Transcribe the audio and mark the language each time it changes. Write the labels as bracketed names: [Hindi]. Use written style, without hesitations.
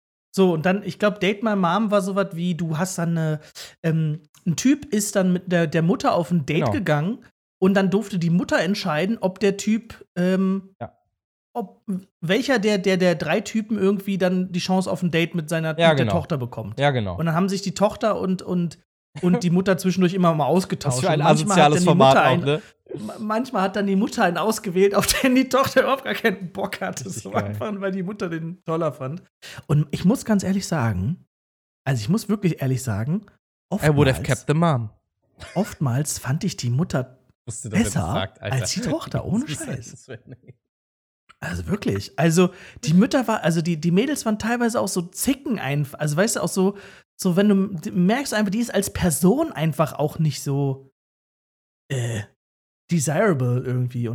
[German] So, und dann, ich glaube, Date My Mom war so was wie, du hast dann ein Typ ist dann mit der Mutter auf ein Date gegangen und dann durfte die Mutter entscheiden, ob der Typ, ob welcher der drei Typen irgendwie dann die Chance auf ein Date mit seiner mit der Tochter bekommt. Ja, genau. Und dann haben sich die Tochter und die Mutter zwischendurch immer mal ausgetauscht. Das ist für ein asoziales Format auch, ne? Manchmal hat dann die Mutter einen ausgewählt, auf den die Tochter überhaupt gar keinen Bock hatte. So einfach, weil die Mutter den toller fand. Und ich muss ganz ehrlich sagen, oftmals, [English] I would have kept the mom. [German] Oftmals fand ich die Mutter besser als die Tochter, ohne Scheiß. Also wirklich. Also die Mütter war, also die Mädels waren teilweise auch so Zicken einfach. Also weißt du, auch so wenn du merkst einfach, die ist als Person einfach auch nicht so desirable irgendwie.